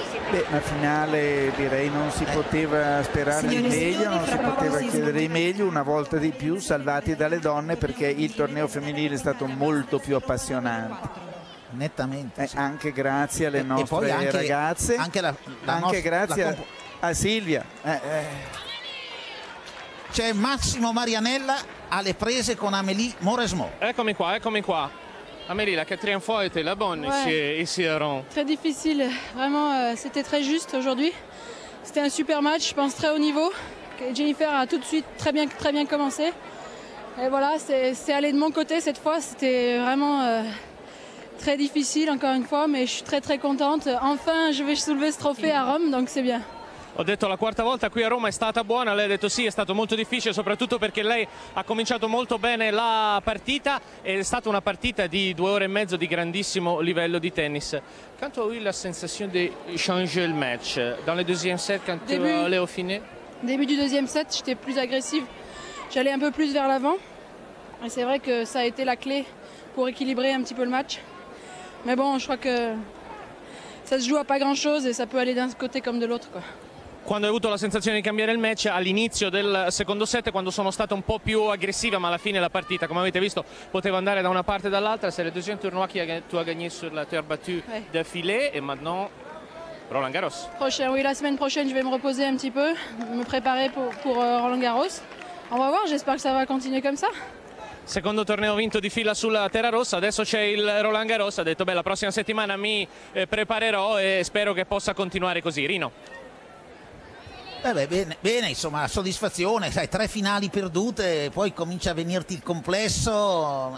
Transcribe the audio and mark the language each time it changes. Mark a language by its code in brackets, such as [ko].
[it] Beh, una finale direi non si poteva sperare di meglio, non si poteva chiedere di meglio, una volta di più salvati dalle donne, perché il torneo femminile è stato molto più appassionante. Nettamente. Sì. Anche grazie alle nostre ragazze. Anche grazie a Silvia. C'è Massimo Marianella alle prese con Amélie Mauresmo. Eccomi qua. [fr] Amélie, la quatrième fois était la bonne ici à Rouen. Très difficile, vraiment c'était très juste aujourd'hui. C'était un super match, je pense très haut niveau. Jennifer a tout de suite très bien commencé. Et voilà, c'est allé de mon côté cette fois, c'était vraiment très difficile encore une fois, mais je suis très très contente. Enfin, je vais soulever ce trophée à Rome, donc c'est bien. [it] Ho detto la quarta volta qui a Roma è stata buona, lei ha detto sì, è stato molto difficile, soprattutto perché lei ha cominciato molto bene la partita, è stata una partita di due ore e mezzo di grandissimo livello di tennis. Quanto ha la sensazione di [fr] changer [it] il match [fr] dans le deuxième set quand tu allais au final? Début du deuxième set, j'étais plus agressive. J'allais un peu plus vers l'avant. Et c'est vrai que ça a été la clé pour équilibrer un petit peu le match. Mais bon, je crois que ça se joue à pas grand-chose et ça peut aller d'un côté comme de l'autre quoi. [it] Quando hai avuto la sensazione di cambiare il match all'inizio del secondo set, quando sono stata un po' più aggressiva, ma alla fine la partita, come avete visto, poteva andare da una parte e dall'altra. [fr] C'est le deuxième tournoi qui tu as gagné sur la terre battue d'affilée et maintenant Roland Garros. Prochain, oui, la semaine prochaine, je vais me reposer un petit peu, me préparer pour Roland Garros. On va voir, j'espère que ça va continuer comme ça. [it] Secondo torneo vinto di fila sulla terra rossa, adesso c'è il Roland Garros. Ha detto "Beh, la prossima settimana mi preparerò e spero che possa continuare così". Rino. Bene, insomma, soddisfazione, sai, tre finali perdute, poi comincia a venirti il complesso.